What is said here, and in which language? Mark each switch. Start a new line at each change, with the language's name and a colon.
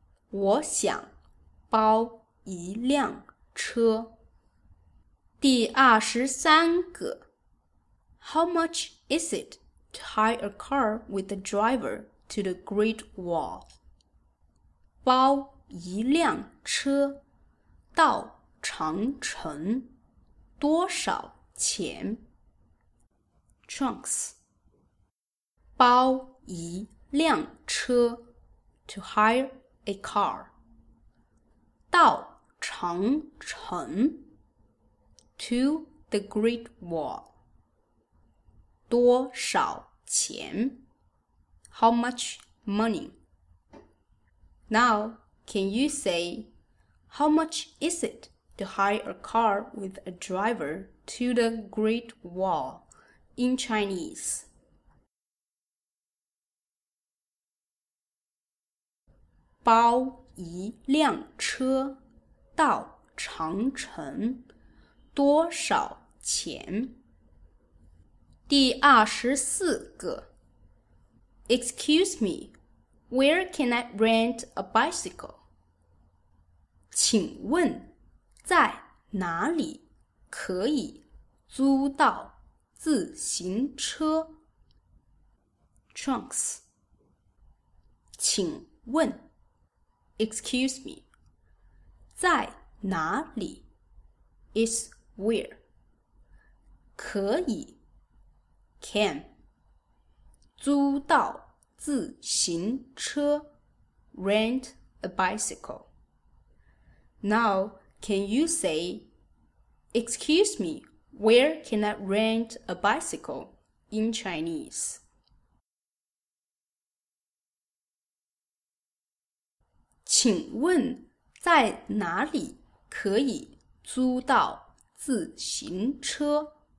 Chinese: 我想包一辆车。第二十三个
English: How much is it to hire a car with a driver to the Great Wall?
Chinese: 包一辆车到长城多少钱?
English: Trunks
Chinese: 包一辆车
English: to hire a car
Chinese: 到长城
English: to the Great Wall
Chinese: 多少钱?
English: How much money? Now, can you say, how much is it to hire a car with a driver to the Great Wall in Chinese?
Chinese: 包一辆车到长城多少钱? 第二十四个
English: Excuse me, where can I rent a bicycle?
Chinese: 请问在哪里可以租到自行车?
English: Trunks
Chinese: 请问
English: Excuse me.
Chinese: 在哪里?
English: Is where?
Chinese: 可以
English: Can.
Chinese: 租到自行车
English: Rent a bicycle. Now, can you say, Excuse me, where can I rent a bicycle in Chinese?
Chinese: 请问在哪里可以租到自行车?